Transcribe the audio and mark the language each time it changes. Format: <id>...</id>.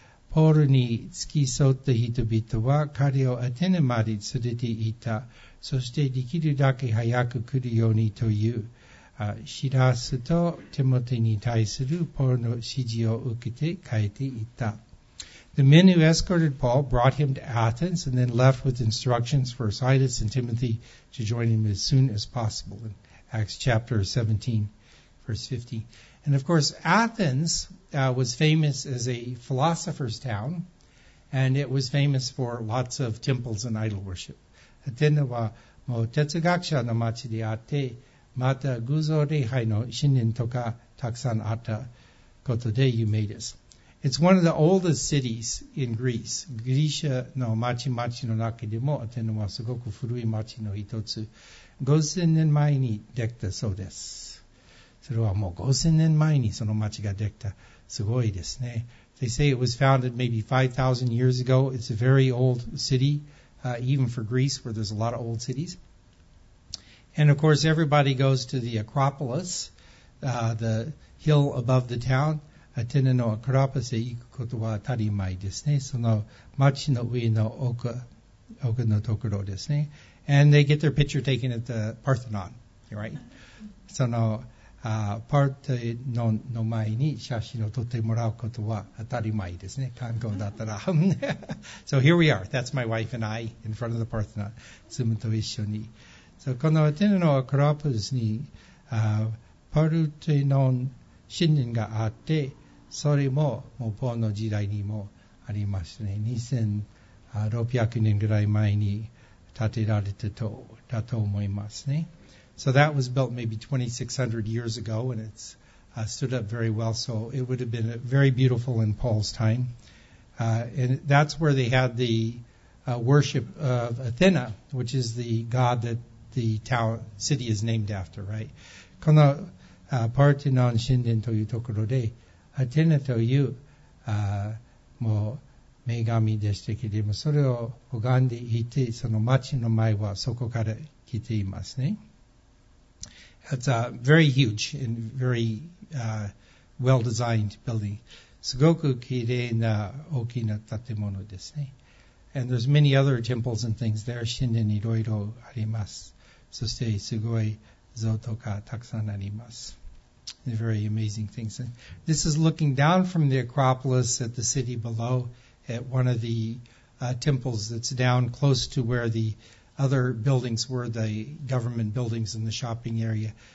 <ja>ポールに付き添った人々は彼をアテネまで連れて行った。そしてできるだけ早く来るようにという、シラスとテモテに対するポールの指示を受けて帰っていった。</ja> <en>The men who escorted Paul brought him to Athens and then left with instructions for Silas and Timothy to join him as soon as possible in Acts chapter 17, verse 15. And of course, Athens was famous as a philosopher's town, and it was famous for lots of temples and idol worship.</en> <ja>アテネはもう哲学者の町であって、また偶像礼拝の神殿とかたくさんあったことで有名です。</ja> <en>It's one of the oldest cities in Greece.</en> <ja>ギリシャの町々の中でもアテネはすごく古い町の一つ。 5000年前にできたそうです。それはもう5000年前にその町ができた。すごいですね。</ja> <en>They say it was founded maybe 5,000 years ago. It's a very old city, even for Greece where there's a lot of old cities. And of course everybody goes to the Acropolis, the hill above the town.</en> <ja>アテネのアクロポリスへ行くことは当たり前ですね。その町の上の奥のところですね。</ja> <en>And they get their picture taken at the Parthenon, right?</en> <ja>その、パルテノンの前に写真を撮ってもらうことは当たり前ですね。観光だったら。</ja> <en>So here we are. That's my wife and I in front of the Parthenon.</en> <ja>妻と一緒に。 So、このアテネのアクロポリスに、パルテノン神殿があって、それもポールの時代にもありますね。 2600年ぐらい前に建てられたとだと思いますね。</ja> <en>So that was built maybe 2600 years ago and it's stood up very well, so it would have been very beautiful in Paul's time. And that's where they had the worship of Athena, which is the god that the town city is named after, right?</en> <ja>このパルテノン神殿というところで、アテネという、もう、女神でしたけれども、それを拝んでいて、その町の前はそこから来ていますね。</ja> <en>It's a very huge and very, well-designed building.</en> <ja>すごく綺麗な大きな建物ですね。</ja> <en>And there's many other temples and things there.</en> <ja>神殿いろいろあります。そして、すごい像とかたくさんあります。</ja> <en>Very amazing things. And this is looking down from the Acropolis at the city below, at one of the temples that's down close to where the other buildings were, the government buildings and the shopping area.</en>